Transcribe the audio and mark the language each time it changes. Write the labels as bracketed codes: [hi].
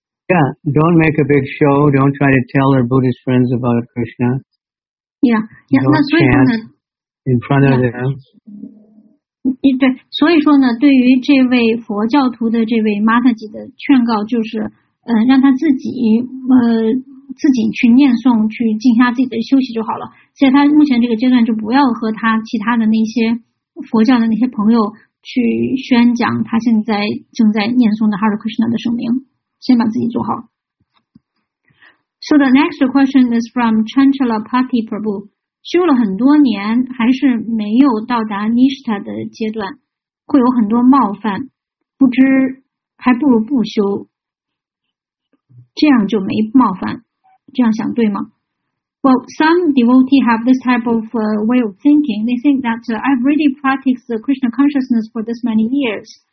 [en] Yeah, don't make a big show, don't try to tell her Buddhist friends about Krishna. Yeah, don't chant in front of them. [zh] 对，所以说呢，对于这位佛教徒的这位 Mataji 的劝告就是，让他自己去念诵，去静下自己的休息就好了。在他目前这个阶段，就不要和他其他的那些佛教的那些朋友去宣讲他现在正在念诵的 Hare Krishna 的圣名，先把自己做好。 [en] So the next question is from Chanchala Pati Prabhu. [zh] 修了很多年还是没有到达 Nishtha 的阶段，会有很多冒犯，不知还不如不修，这样就没冒犯，这样想对吗？ [en] Well, some devotees have this type of way of thinking. They think that I've already practiced the Krishna consciousness for this many years.